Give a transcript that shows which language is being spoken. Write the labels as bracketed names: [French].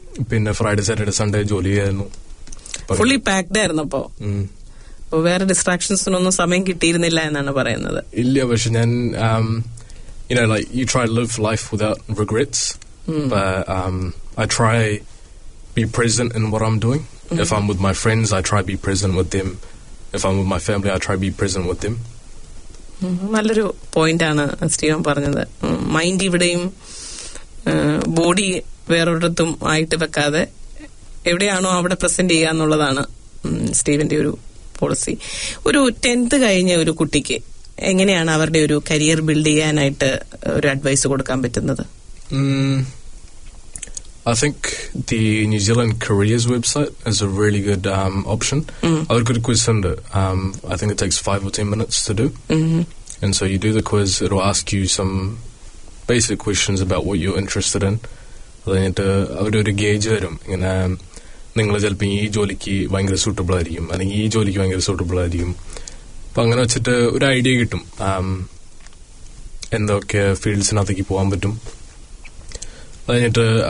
[Malayalam] പിന്നെ Friday Saturday Sunday ജോലി ചെയ്യായിരുന്നു, ഫുള്ളി പാക്ഡ് ആയിരുന്നു. അപ്പോ വേറെ ഡിസ്ട്രാക്ഷൻസിനൊന്നും സമയം കിട്ടിയിരുന്നില്ല എന്നാണ് പറയുന്നത്? ഇല്ല, പക്ഷെ ഞാൻ [English] you know like you try to live life without regrets. But I try be present in what I'm doing. If I'm with my friends, I try be present with them. If I'm with my family, I try be present with them. [Malayalam] നല്ലൊരു point ആണ് Steven പറഞ്ഞത്. Mind ഇവിടെയും body വേറൊരിടത്തും ആയിട്ട് വെക്കാതെ എവിടെയാണോ അവിടെ present ചെയ്യുക എന്നുള്ളതാണ് സ്റ്റീവന്റെ ഒരു പോളിസി. ഒരു 10th കഴിഞ്ഞ ഒരു കുട്ടിക്ക് എങ്ങനെയാണ് അവരുടെ ഒരു കരിയർ ബിൽഡ് ചെയ്യാനായിട്ട് ഒരു അഡ്വൈസ് കൊടുക്കാൻ പറ്റുന്നത്? [English] I think the New Zealand Careers website is a really good option. I've got a quiz on it. I think it takes 5 or 10 minutes to do. And so you do the quiz, it'll ask you some basic questions about what you're interested in. [Malayalam] കഴിഞ്ഞിട്ട് അവരുടെ ഒരു gauge വരും, ഇങ്ങനെ നിങ്ങൾ ചിലപ്പോൾ ഈ ജോലിക്ക് ഭയങ്കര സൂട്ടബിൾ ആയിരിക്കും അല്ലെങ്കിൽ ഈ ജോലിക്ക് ഭയങ്കര സൂട്ടബിൾ ആയിരിക്കും. അപ്പം അങ്ങനെ വെച്ചിട്ട് ഒരു ഐഡിയ കിട്ടും എന്തൊക്കെ ഫീൽഡ്സിനകത്തേക്ക് പോകാൻ പറ്റും. കഴിഞ്ഞിട്ട്